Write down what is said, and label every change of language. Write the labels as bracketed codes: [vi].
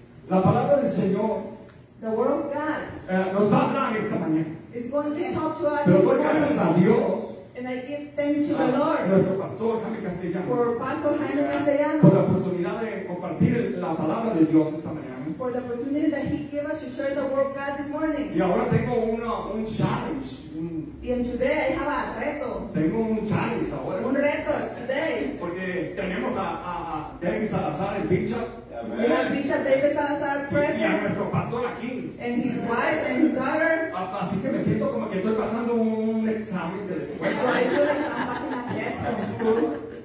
[es] La palabra del Señor, [en] the word of God, [es] nos va a hablar esta mañana. [en] Is going to talk to us. [es] Pero doy gracias a Dios. [en] And I give thanks to the Lord. [es] Nuestro pastor Jaime Castellano. [en] For Pastor Jaime Castellano. [es] Por la oportunidad de compartir la palabra de Dios esta mañana. [en] For the opportunity that he gave us to share the word of God this morning. [es] Y ahora tengo un challenge. Y en [en] today I have a reto. [es] Tengo un challenge ahora. Un reto [en] today. [es] Porque tenemos a David Salazar, el bishop. [en] Amen. We have Bishop David Salazar present. [es] Y a nuestro pastor aquí. [en] And his wife and his daughter. [es] Así que me siento como que estoy pasando un examen de la escuela. [en] So I feel like I'm passing a test from school.